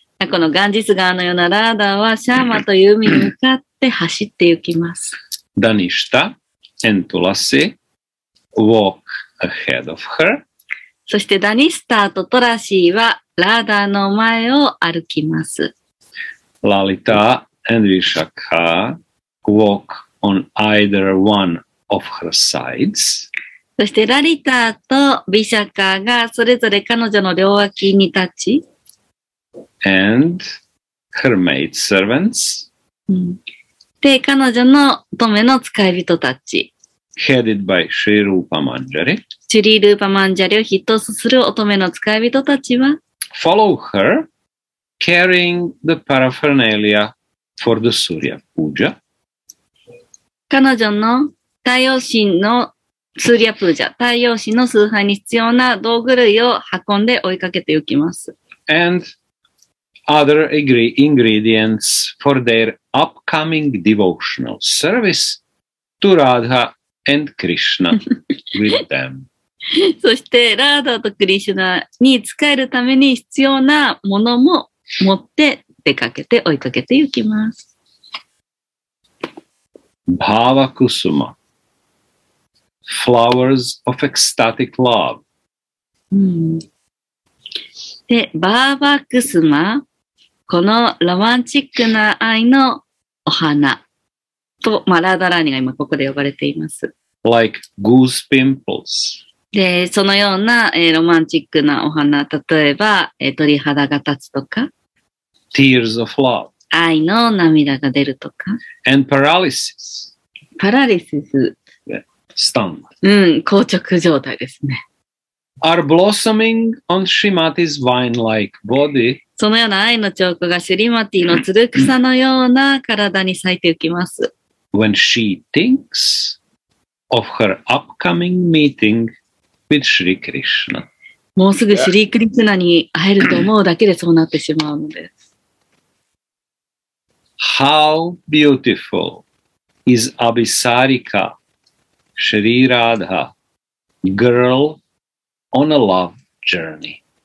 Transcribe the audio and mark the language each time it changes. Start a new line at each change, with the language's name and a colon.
Japanese: このガンジス川のようなラーダはシャーマという海に向かって走って行きます。
English: ダニシタ and Tulasi walk ahead of her.
Japanese: そしてダニスタとトラシーはラーダの前を歩きます。
English: Lalita and Vishakha walk on either one of her sides.
Japanese: そしてラリタとビシャカがそれぞれ彼女の両脇に立ち、
English: and her maid servants、
Japanese: うん、で彼女の乙女の使い人たち、
English: headed by シュリルーパマンジャリ、
Japanese: シュリルーパマンジャリを筆頭する乙女の使い人たちは、
English: follow her carrying the paraphernalia for the Surya Puja、
Japanese: 彼女の太陽神のスーリアプージャ、太陽神の崇拝に必要な道具類を運んで追いかけていきます。
English: And other ingredients for their upcoming devotional service to Radha and Krishna with them.
Japanese: そして、ラーダとクリシュナに仕えるために必要なものも持って出かけて追いかけていきます。
English: バーバクスマ。Flowers of ecstatic love.、
Japanese: うん、で、バーバクスマ、このロマンチックな愛のお花と、まあ、ラーダラーニが今ここで呼ばれています。
English: Like goose pimples.
Japanese: で、そのような、ロマンチックなお花、例えば、鳥肌が立つとか、
English: Tears of love.
Japanese: 愛の涙が出るとか、
English: And paralysis.
Japanese: パラリシス。
English: Stunned.
Japanese: うん、硬直状態ですね。
English: Are blossoming on Shrimati's vine-like body.
Japanese: そのような愛の兆候がシュリマティのつる草のような体に咲いていきます。
English: When she thinks of her upcoming meeting with Shri Krishna.
Japanese: もうすぐシュリクリシュナに会えると思うだけでそうなってしまうのです。
English: How beautiful is Abhisarika? Shri Radha, girl on a love journey.